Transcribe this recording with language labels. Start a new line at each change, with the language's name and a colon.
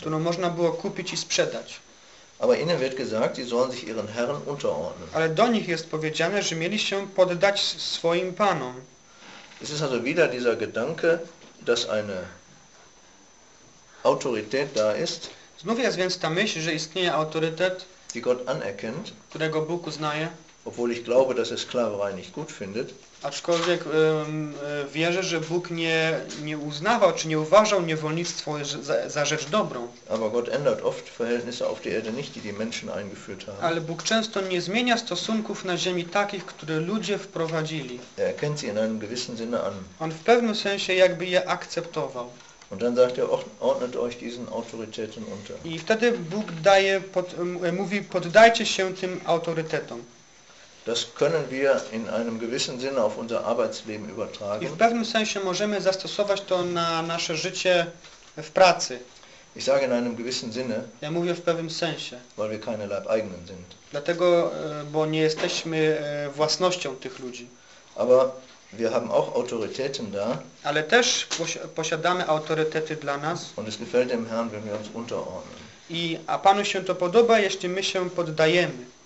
Polish: Którą można było kupić i sprzedać.
German: Aber ihnen wird gesagt, sie sollen sich ihren Herren unterordnen.
Polish: Ale do nich jest powiedziane, że mieli się poddać swoim panom.
German: Es ist also wieder dieser Gedanke, dass eine Autorität da ist,
Polish: znów jest więc ta myśl, że istnieje autorytet,
German: die Gott anerkennt,
Polish: którego Bóg uznaje,
German: obwohl ich glaube, dass er Sklaverei nicht gut findet.
Polish: Aczkolwiek wierzę, że Bóg nie uznawał, czy nie uważał niewolnictwo za rzecz dobrą.
German: Aber Gott ändert oft Verhältnisse auf der Erde nicht, die die Menschen eingeführt haben.
Polish: Ale Bóg często nie zmienia stosunków na ziemi takich, które ludzie wprowadzili.
German: Er erkennt sie in einem gewissen Sinne an.
Polish: On w pewnym sensie jakby je akceptował.
German: Und dann sagt er, ordnet euch diesen Autoritäten unter.
Polish: I wtedy Bóg daje, mówi, poddajcie się tym autorytetom.
German: Das können wir in einem gewissen Sinne auf unser Arbeitsleben übertragen.
Polish: I w pewnym sensie możemy zastosować to na nasze życie w pracy.
German: Ich sage in einem gewissen Sinne,
Polish: ja mówię w pewnym sensie,
German: weil wir keine Leibeigenen sind.
Polish: Dlatego, bo nie jesteśmy własnością tych ludzi.
German: Aber wir haben auch Autoritäten da.
Polish: Ale też posiadamy autorytety dla nas.
German: Und es gefällt dem Herrn, wenn wir uns unterordnen.
Polish: A Panu się to podoba, jeśli my się poddajemy.